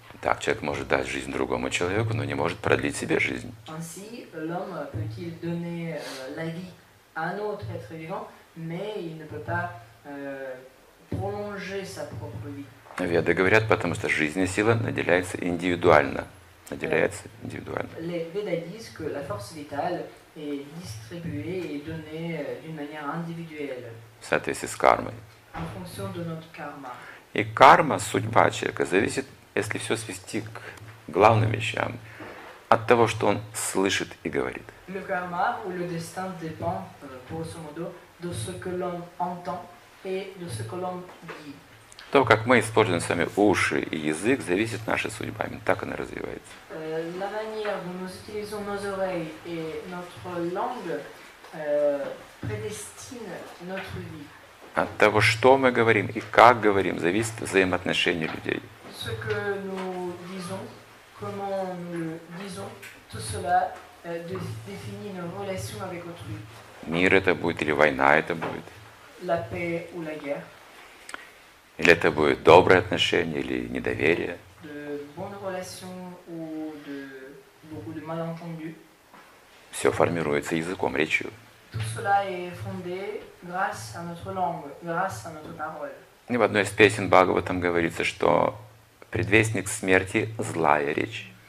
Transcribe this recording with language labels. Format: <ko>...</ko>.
<ru>Так, человек может дать жизнь другому человеку, но не может продлить себе жизнь.</ru> <fr>Ainsi, l'homme peut-il donner la vie à un autre être vivant, mais il ne peut pas prolonger sa propre vie.</fr> <ru>Веды говорят, потому что жизненная сила наделяется индивидуально. Наделяется индивидуально.</ru> <fr>Les Védas disent que la force vitale est distribuée et donnée d'une manière individuelle.</fr> <ru>В соответствии с кармой.</ru> <fr>En fonction de notre karma.</fr> <ru>И карма, судьба человека, зависит, если все свести к главным вещам, от того, что он слышит и говорит.</ru> <fr>Le karma ou le destin dépend, grosso modo, de ce que l'on entend et de ce que l'on dit.</fr> <ru>То, как мы используем с вами уши и язык, зависит от нашей судьбы. Именно так она развивается.</ru> <fr>La manière dont nous utilisons nos oreilles et notre langue prédestine notre vie.</fr> <ru>От того, что мы говорим и как говорим, зависит взаимоотношение людей.</ru> <fr>Ce que nous disons, comment nous le disons, tout cela définit nos relations avec autrui.</fr> <ru>Мир это будет или война это будет?</ru> <fr>La paix ou la guerre?</fr> <ru>Или это будет добрые отношения или недоверие?</ru> <fr>De bonnes relations ou de beaucoup de malentendus?</fr> <ru>Все формируется языком, речью.</ru> <fr>Tout cela est fondé grâce à notre langue, grâce à notre parole.</fr> <ru>И в одной из песен Бхагаватам говорится, что предвестник смерти – злая речь.</ru>